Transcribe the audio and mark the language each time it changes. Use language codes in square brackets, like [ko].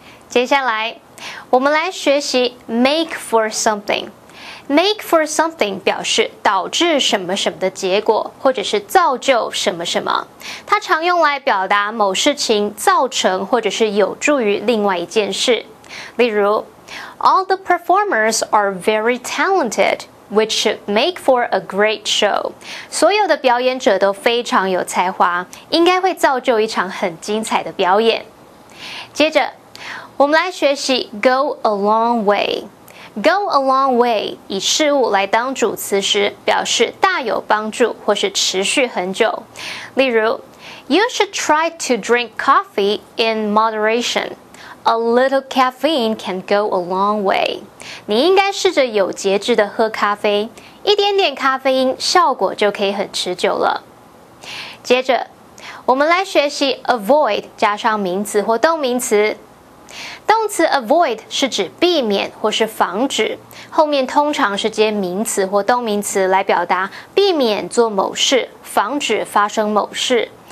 [zh] 接下来我们来学习 make for somethingMake for something 表示导致什么什么的结果，或者是造就什么什么。它常用来表达某事情造成或者是有助于另外一件事。 [en] 例如 All the performers are very talented, which should make for a great show. [zh] 所有的表演者都非常有才华，应该会造就一场很精彩的表演。接着，我们来学习 go a long way。 Go a long way 以事物来当主词时，表示大有帮助或是持续很久。 [en] 例如 ，You should try to drink coffee in moderation. A little caffeine can go a long way. [zh] 你应该试着有节制地喝咖啡，一点点咖啡因效果就可以很持久了。接着，我们来学习 avoid 加上名词或动名词。动词 avoid 是指避免或是防止，后面通常是接名词或动名词来表达避免做某事，防止发生某事。